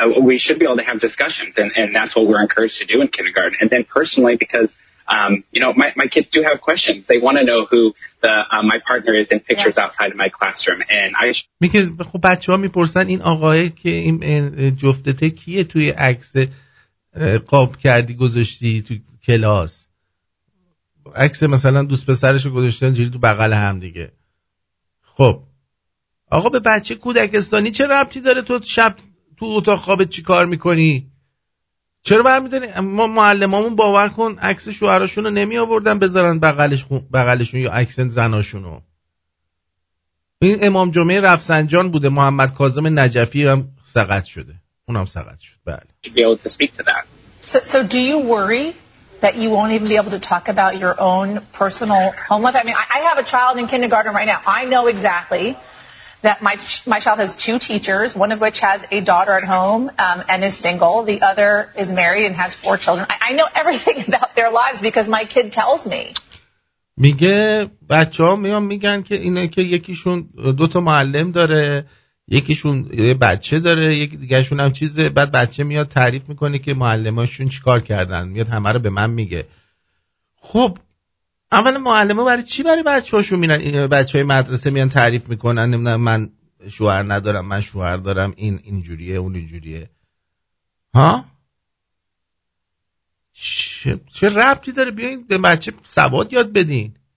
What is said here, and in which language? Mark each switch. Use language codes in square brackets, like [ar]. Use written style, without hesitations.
[en] we should be able to have discussions and that's what we're encouraged to do in kindergarten and then personally because you know my kids do have questions they want to know who the my partner is in pictures outside of my classroom and I [fa] میگه خب بچه‌ها میپرسن این آقای که این جفتته کیه توی عکس قاب کردی گذاشتی تو کلاس عکس مثلا دوست پسرشو گذاشتن جوری تو بغل هم دیگه خب آقا به بچه کودکستانی چه ربطی داره تو شب تو اتاق خوابت چی کار میکنی؟ چرا برمیدونی؟ ما معلمامون باور کن عکس شوهراشون رو نمی آوردن بذارن بغلشون یا عکس زناشون رو. این امام جمعه رفسنجان بوده، محمد کاظم نجفی هم سقط شده، اونم سقط شد. بله. [en] So do you worry that you won't even be able to talk about your own personal home life? I mean, I have a child in kindergarten right now. I know exactly that my child has two teachers, one of which has a daughter at home and is single. The other is married and has four children. I know everything about their lives because my kid tells me. [fa] میگه بچه ها میان میگن که اینه که یکیشون دو تا معلم داره، یکیشون یه بچه داره، یکی دیگهشون هم چیزه. بعد بچه میاد تعریف میکنه که معلماشون چیکار کردن، میاد همه رو به من میگه. خب اول معلما برای چی برای بچه هاشون میرن بچه های مدرسه میان تعریف میکنن نمیدونم من شوهر ندارم، من شوهر دارم، این اینجوریه اون اینجوریه؟ ها؟ چه ربطی داره؟ بیاین به بچه سواد یاد بدین.